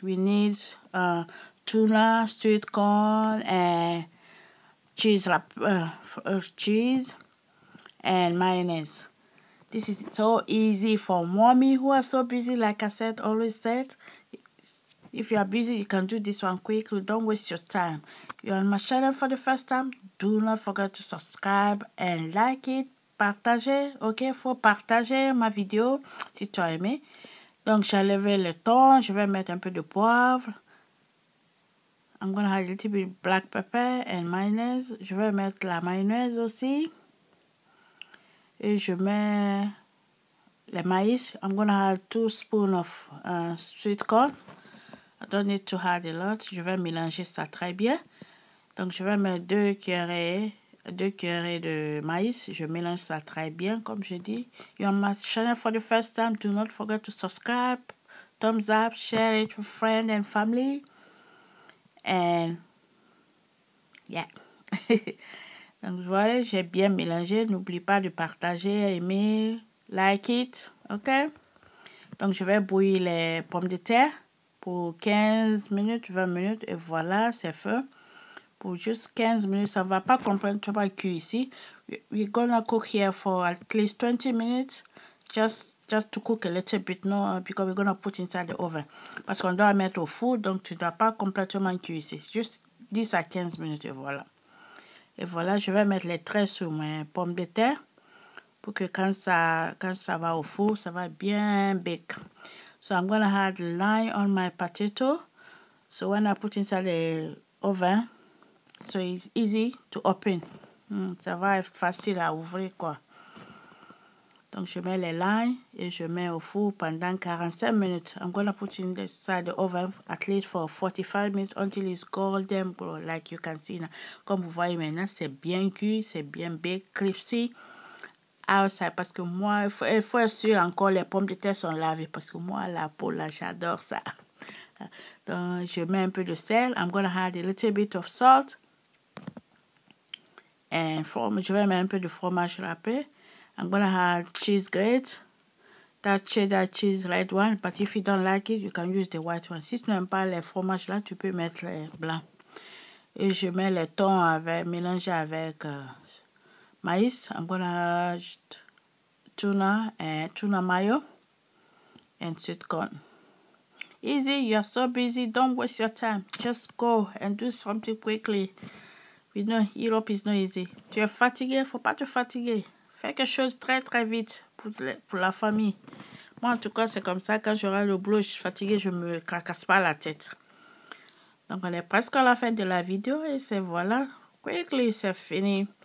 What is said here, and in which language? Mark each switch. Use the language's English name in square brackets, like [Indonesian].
[English] We need tuna, sweet corn and cheese cheese and mayonnaise. This is so easy for mommy who are so busy, like I said, always said. If you are busy, you can do this one quickly. Don't waste your time. You're on my channel for the first time. Do not forget to subscribe and like it. [French] Partager, ok? Faut partager ma vidéo si tu as aimé. Donc, j'ai levé le thon. Je vais mettre un peu de poivre. [English] I'm going to add a little bit of black pepper and mayonnaise. [French] Je vais mettre la mayonnaise aussi. Et je mets le maïs. [English] I'm going to add 2 spoons of sweet corn. I don't need to add a lot. [French] Je vais mélanger ça très bien. Donc, je vais mettre 2 cuillerées de maïs. Je mélange ça très bien, comme je dis. [English] You're on my channel for the first time. Do not forget to subscribe. Thumbs up. Share it with friends and family. [French] And, yeah. Donc voilà, j'ai bien mélangé. N'oublie pas de partager, aimer, [English] like it, ok? [French] Donc je vais bouillir les pommes de terre pour 15 minutes, 20 minutes. Et voilà, c'est fait. Pour juste 15 minutes, ça ne va pas comprendre trop à cuire ici. [English] We're gonna cook here for at least 20 minutes. Just to cook a little bit, no, because we're gonna put inside the oven. [French] Parce qu'on doit mettre au four, donc tu ne dois pas complètement cuire ici. Juste 10 à 15 minutes, et voilà. Et voilà, je vais mettre les traits sur mes pommes de terre pour que quand ça va au four, ça va bien bake. [English] So I'm going to add lime on my potato. So when I put inside the oven, so it's easy to open. [French] Ça va être facile à ouvrir quoi. Donc je mets les lime et je mets au four pendant 45 minutes. [English] I'm going to put inside the oven at least for 45 minutes until it's golden glow, like you can see now. [French] Comme vous voyez maintenant, c'est bien cuit, c'est bien baked, [English] crispy outside. [French] Parce que moi, il faut être sûr encore, les pommes de terre sont lavées. Parce que moi, la peau là, j'adore ça. Donc je mets un peu de sel. [English] I'm going to add a little bit of salt. [French] Je vais mettre un peu de fromage râpé. [English] I'm going to add cheese grate, that cheddar cheese red one, but if you don't like it, you can use the white one. [French] Si tu n'aimes pas les fromages là, tu peux mettre les blancs. Et je mets le thon mélangé avec maïs. [English] I'm going to add tuna mayo and sweet corn. Easy, you're so busy, don't waste your time. Just go and do something quickly. We know Europe is not easy. [French] Tu es fatigué, il ne faut pas te fatiguer. Fais quelque chose très très vite pour la famille. Moi en tout cas c'est comme ça, quand j'aurai le boulot, je suis fatiguée, je ne me cracasse pas la tête. Donc on est presque à la fin de la vidéo et c'est voilà. Quickly c'est fini.